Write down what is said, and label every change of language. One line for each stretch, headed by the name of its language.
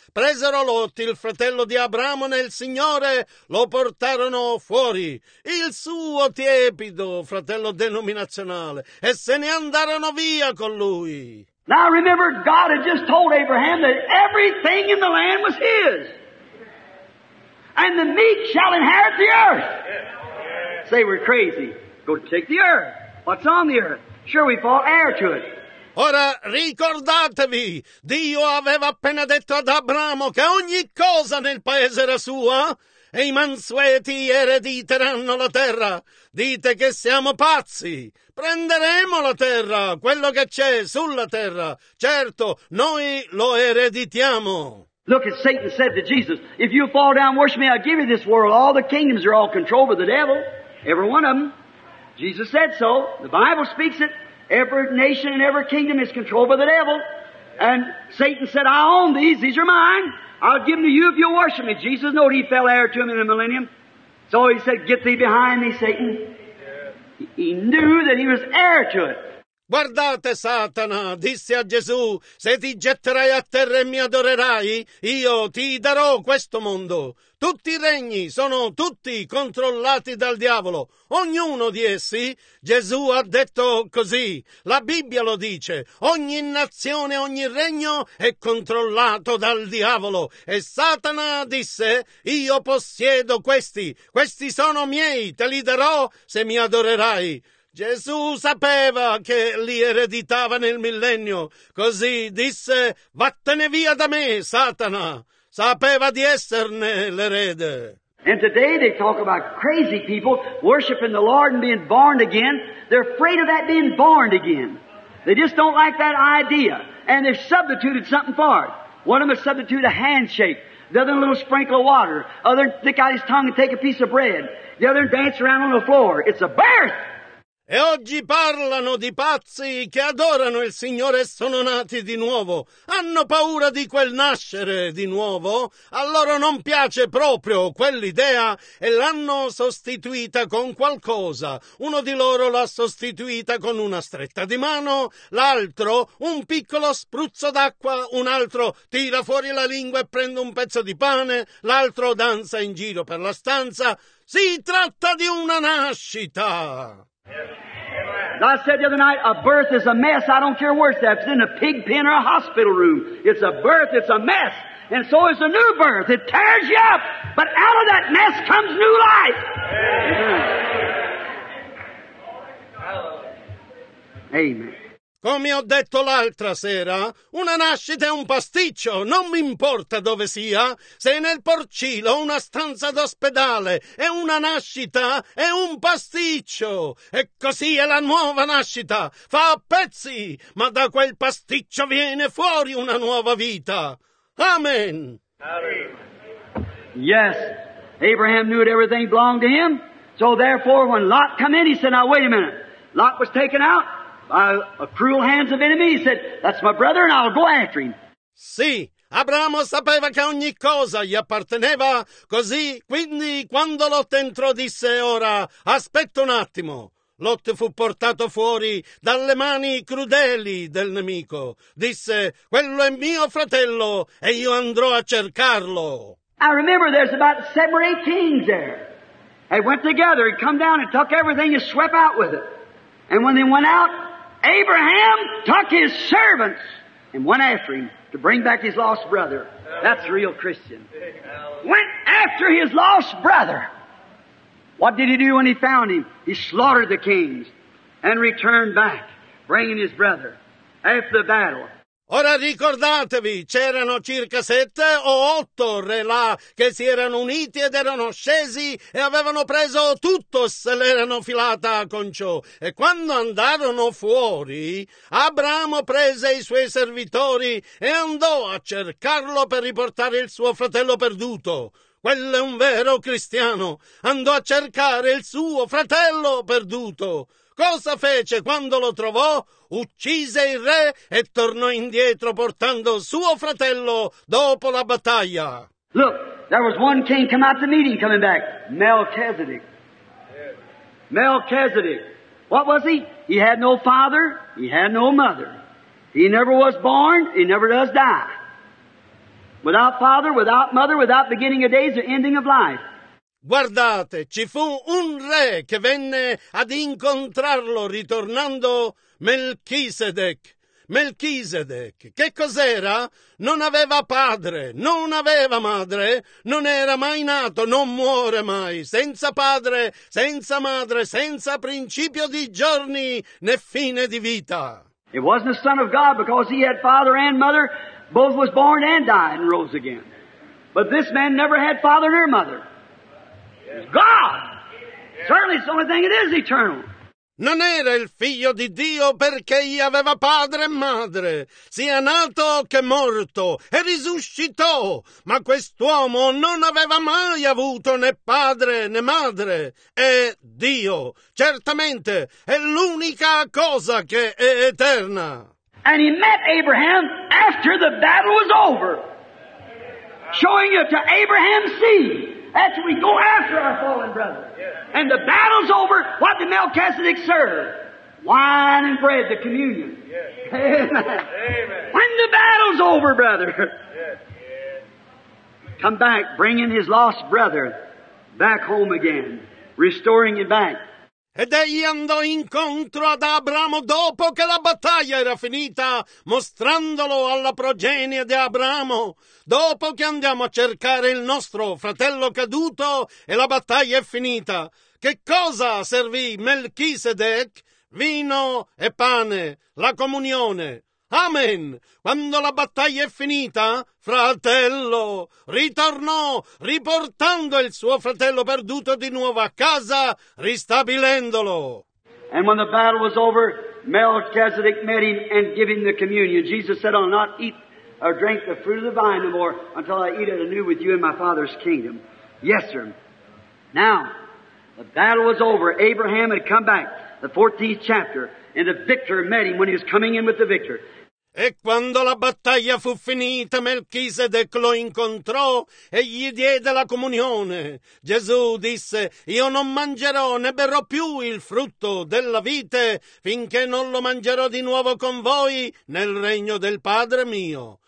Italian: Presero Lot, il fratello di Abramo nel Signore, lo portarono fuori, il suo tiepido fratello denominazionale, e se ne andarono via con lui.
English: Now remember, God had just told Abraham that everything in the land was his. And the meek shall inherit the earth. Yeah. Say, we're crazy. Go take the earth. What's on the earth? Sure, we fall heir to it.
Italian: Ora ricordatevi, Dio aveva appena detto ad Abramo che ogni cosa nel paese era sua. E i mansueti erediteranno la terra. Dite che siamo pazzi. Prenderemo la terra, quello che c'è sulla terra. Certo, noi lo ereditiamo.
English: Look at Satan said to Jesus, if you fall down, worship me, I'll give you this world. All the kingdoms are all controlled by the devil. Every one of them. Jesus said so. The Bible speaks it. Every nation and every kingdom is controlled by the devil. And Satan said, I own these are mine. I'll give them to you if you worship me. Jesus knew he fell heir to him in the millennium. So he said, get thee behind me, Satan. He knew that he was heir to it.
Italian: Guardate, Satana, disse a Gesù, se ti getterai a terra e mi adorerai, io ti darò questo mondo. Tutti i regni sono tutti controllati dal diavolo, ognuno di essi. Gesù ha detto così, la Bibbia lo dice, ogni nazione, ogni regno è controllato dal diavolo. E Satana disse, io possiedo questi, questi sono miei, te li darò se mi adorerai. Gesù sapeva che li ereditava nel millennio, così disse, vattene via da me, Satana. Sapeva di esserne l'erede.
English: And today they talk about crazy people worshiping the Lord and being born again. They're afraid of that being born again. They just don't like that idea. And they've substituted something for it. One of them has substituted a handshake. The other a little sprinkle of water. The other stick out his tongue and take a piece of bread. The other dance around on the floor. It's a birth!
Italian: E oggi parlano di pazzi che adorano il Signore e sono nati di nuovo. Hanno paura di quel nascere di nuovo. A loro non piace proprio quell'idea e l'hanno sostituita con qualcosa. Uno di loro l'ha sostituita con una stretta di mano, l'altro un piccolo spruzzo d'acqua, un altro tira fuori la lingua e prende un pezzo di pane, l'altro danza in giro per la stanza. Si tratta di una nascita!
English: I said the other night, a birth is a mess. I don't care where it's at. It's in a pig pen or a hospital room. It's a birth. It's a mess. And so is a new birth. It tears you up. But out of that mess comes new life. Amen. Amen.
Italian: Come ho detto l'altra sera, una nascita è un pasticcio, non mi importa dove sia, se è nel porcino, una stanza d'ospedale, è una nascita, è un pasticcio. E così è la nuova nascita, fa a pezzi, ma da quel pasticcio viene fuori una nuova vita. Amen.
English: Yes, Abraham knew that everything belonged to him, so therefore when Lot come in, he said, now wait a minute, Lot was taken out. A cruel hands of enemy, he said, that's my brother and I'll go after him.
Italian: Sì, Abramo sapeva che ogni cosa gli apparteneva, così, quindi, quando Lot entrò, disse, ora, aspetta un attimo. Lot fu portato fuori dalle mani crudeli del nemico. Disse, quello è mio fratello e io andrò a cercarlo.
English: I remember there's about 7 or 8 kings there. They went together, he come down and took everything and swept out with it. And when they went out, Abraham took his servants and went after him to bring back his lost brother. That's a real Christian. Went after his lost brother. What did he do when he found him? He slaughtered the kings and returned back, bringing his brother after the battle.
Italian: Ora ricordatevi, c'erano circa 7 o 8 re là che si erano uniti ed erano scesi e avevano preso tutto se l'erano filata con ciò. E quando andarono fuori, Abramo prese i suoi servitori e andò a cercarlo per riportare il suo fratello perduto. Quello è un vero cristiano. Andò a cercare il suo fratello perduto. Cosa fece quando lo trovò? Uccise il re e tornò indietro portando suo fratello dopo la battaglia.
English: Look, there was one king come out to meet him coming back. Melchizedek. Melchizedek. What was he? He had no father. He had no mother. He never was born. He never does die. Without father, without mother, without beginning of days or ending of life.
Italian: Guardate, ci fu un re che venne ad incontrarlo ritornando Melchisedec. Melchisedec, che cos'era? Non aveva padre, non aveva madre, non era mai nato, non muore mai, senza padre, senza madre, senza principio di giorni né fine di vita.
English: It wasn't the son of God because he had father and mother, both was born and died and rose again. But this man never had father nor mother. God! Certainly it's the only thing it is eternal.
Italian: Non era il figlio di Dio perché gli aveva padre e madre, sia nato che morto, e risuscitò. Ma quest'uomo non aveva mai avuto né padre né madre. È Dio. Certamente è l'unica cosa che è eterna.
English: And he met Abraham after the battle was over, showing it to Abraham's seed. That's when we go after our fallen brother. And the battle's over. What did Melchizedek serve? wine and bread, the communion. Yes. Amen. When the battle's over, brother. Yes. Yes. Come back, bringing his lost brother back home again, restoring him back.
Italian: Ed egli andò incontro ad Abramo dopo che la battaglia era finita, mostrandolo alla progenie di Abramo. Dopo che andiamo a cercare il nostro fratello caduto e la battaglia è finita, che cosa servì Melchisedec? Vino e pane, la comunione. Amen. Quando la battaglia è finita, fratello ritornò, riportando il suo fratello perduto di nuovo a casa, ristabilendolo.
English: And when the battle was over, Melchizedek met him and gave him the communion. Jesus said, I'll not eat or drink the fruit of the vine no more until I eat it anew with you in my Father's kingdom. Yes, sir. Now, the battle was over. Abraham had come back, the 14th chapter, and the victor met him when he was coming in with the victor.
Italian: E quando la battaglia fu finita, Melchisedec lo incontrò e gli diede la comunione. Gesù disse, io non mangerò né berrò più il frutto della vite finché non lo mangerò di nuovo con voi nel regno del Padre mio.